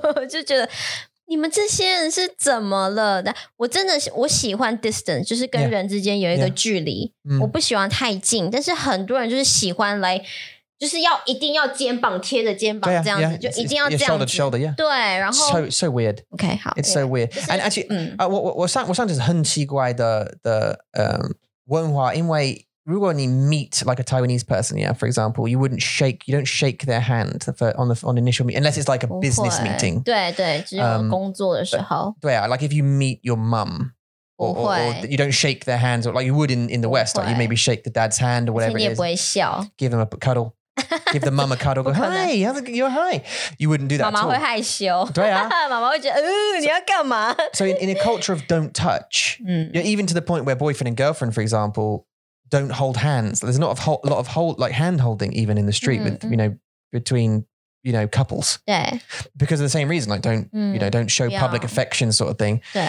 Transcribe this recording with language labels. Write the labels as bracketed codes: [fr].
[zh] 就觉得 你们这些人是怎么了？我真的喜欢 distance, 就是跟人之间有一个距离。我不喜欢太近，但是很多人就是喜欢来，就是要一定要肩膀贴着肩膀这样子，就一定要这样。对，然后。 [en] So weird. Okay, [zh] 好。 [en] It's so weird. And actually, [zh] 我上次是很奇怪的文化，因为如果 你 [en] meet like a Taiwanese person, yeah, for example, you wouldn't shake, you don't shake their hand on the initial meet, unless it's like a business meeting. [zh] 对，只有工作的时候。对啊, [en] like if you meet your mum, or you don't shake their hands, or like you would in the West, like you maybe shake the dad's hand or whatever it is. Give them a cuddle. Give the mum a cuddle. Go, hi, you're hi. You wouldn't do that. [zh] 妈妈会害羞。对啊。妈妈会觉得，你要干嘛？ [en] So in a culture of don't touch, yeah, even to the point where boyfriend and girlfriend, for example, don't hold hands. There's not a lot of hand holding even in the street with, you know, between, you know, couples. Yeah. Because of the same reason, like don't, you know, don't show public affection sort of thing.